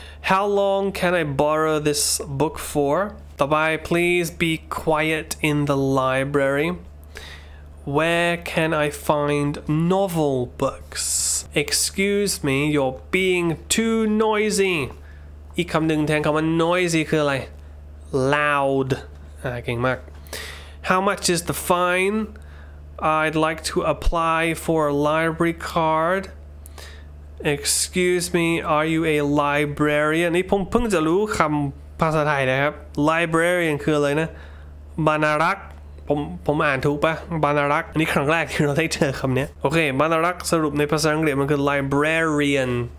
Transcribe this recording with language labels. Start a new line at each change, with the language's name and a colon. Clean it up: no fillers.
English: How long can I borrow this book for?
Thai: ต่อไป,
English: please be quiet in the library. Where can I find novel books? Excuse me, you're being too noisy.
Thai: อีกคำหนึ่งแทนคำว่า noisy คืออะไร
English: Loud.
Thai: เก่งมาก
English: How much is the fine? I'd like to apply for a library card. Excuse me, are you a librarian?
Thai: นี่ผมเพิ่งจะรู้คำภาษาไทยนะครับ Librarian คืออะไรนะบรรณารักษ์ผมอ่านถูกปะบรรณารักษ์อันนี้ครั้งแรกที่เราได้เจอคำนี้โอเคบรรณารักษ์สรุปในภาษาอังกฤษมันคือ librarian